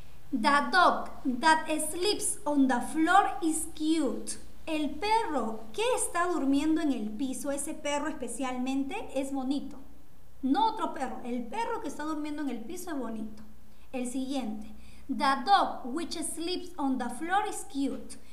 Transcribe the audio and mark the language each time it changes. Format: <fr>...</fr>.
<en>The dog that sleeps on the floor is cute.</en> <es>El perro que está durmiendo en el piso, ese perro especialmente, es bonito. No otro perro, el perro que está durmiendo en el piso es bonito. El siguiente.</es> <en>The dog which sleeps on the floor is cute.</en>